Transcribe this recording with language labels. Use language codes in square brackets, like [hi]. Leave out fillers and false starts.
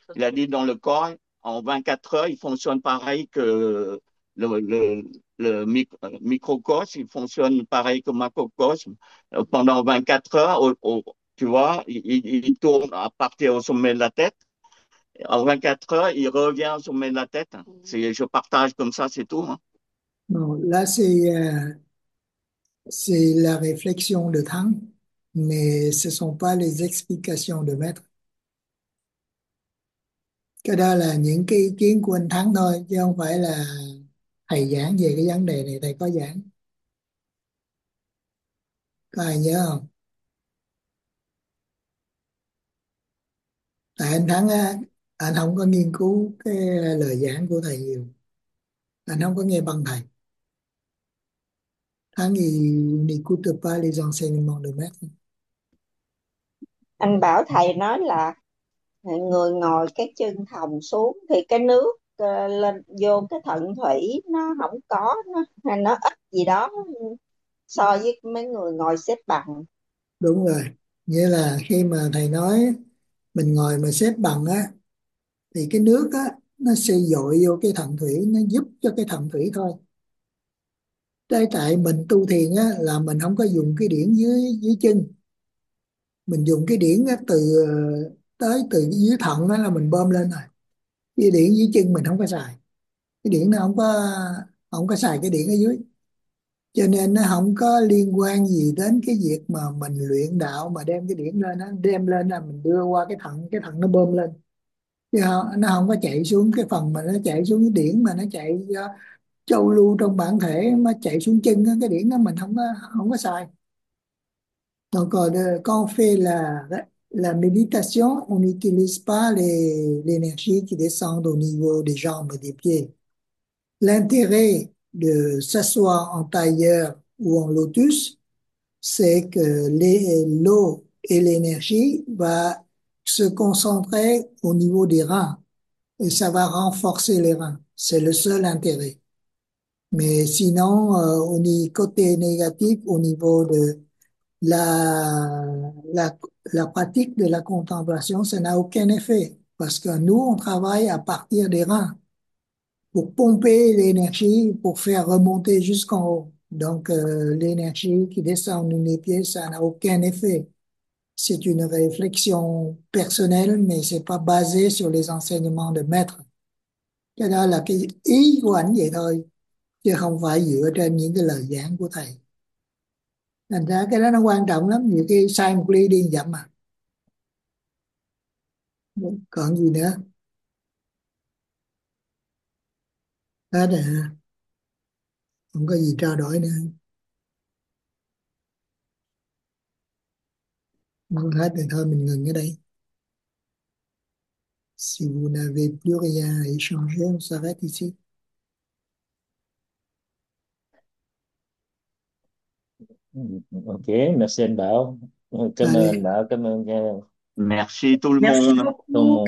[fr] Il a dit dans le corps en 24 heures il fonctionne pareil que le microcosme, il fonctionne pareil que macrocosme pendant 24 heures, tu vois, il tourne à partir au sommet de la tête. En 24 heures, il revient au sommet de la tête. Si je partage comme ça, c'est tout. Bon, là c'est la réflexion de Thắng, mais ce sont pas les explications de maître. [vi] Cái đó là những cái ý kiến của anh Thắng thôi, chứ không phải là thầy giảng về cái vấn đề này, thầy có giảng. Có ai nhớ không? Tại anh Thắng á, anh không có nghiên cứu cái lời giảng của thầy nhiều. Anh không có nghe băng thầy. [fr] Thắng [vi] thì [fr] n'écoute pas les enseignements de maître. [vi] Anh bảo thầy nói là người ngồi cái chân thòng xuống thì cái nước lên vô cái thận thủy nó không có nó ít gì đó so với mấy người ngồi xếp bằng. Đúng rồi, nghĩa là khi mà thầy nói mình ngồi mà xếp bằng á thì cái nước á nó sẽ dội vô cái thận thủy, nó giúp cho cái thận thủy thôi. Đây tại mình tu thiền á là mình không có dùng cái điển dưới dưới chân, mình dùng cái điển á, từ tới từ dưới thận đó là mình bơm lên rồi. Dây điện dưới chân mình không có xài, cái điện nó không có xài cái điện ở dưới, cho nên nó không có liên quan gì đến cái việc mà mình luyện đạo mà đem cái điện lên, nó đem lên là mình đưa qua cái thận nó bơm lên, nó không có chạy xuống cái phần mà nó chạy xuống cái điện, mà nó chạy châu lưu trong bản thể mà chạy xuống chân đó, cái điện đó mình không có xài. [fr] Donc [vi] còn [fr] café là la méditation, on n'utilise pas l'énergie qui descend au niveau des jambes et des pieds. L'intérêt de s'asseoir en tailleur ou en lotus, c'est que l'eau et l'énergie va se concentrer au niveau des reins et ça va renforcer les reins. C'est le seul intérêt. Mais sinon, on est côté négatif au niveau de la pratique de la contemplation, ça n'a aucun effet parce que nous, on travaille à partir des reins pour pomper l'énergie, pour faire remonter jusqu'en haut. Donc, l'énergie qui descend dans les pieds, ça n'a aucun effet. C'est une réflexion personnelle, mais c'est pas basé sur les enseignements de maître. [vi] Cái đó là cái ý của anh vậy thôi, chứ không phải dựa trên những cái lời giảng của thầy. Thành ra cái đó nó quan trọng lắm, nhiều khi sai một ly đi dặm mà. Còn gì nữa? Đó nè, không có gì trao đổi nữa. Muốn hết thì thôi mình ngừng ở đây. [fr] Si vous n'avez plus rien à échanger, on s'arrête ici. Ok, merci Anne-Bao. Comme Allez. Anne-Bao, comme Merci tout le Merci monde. beaucoup,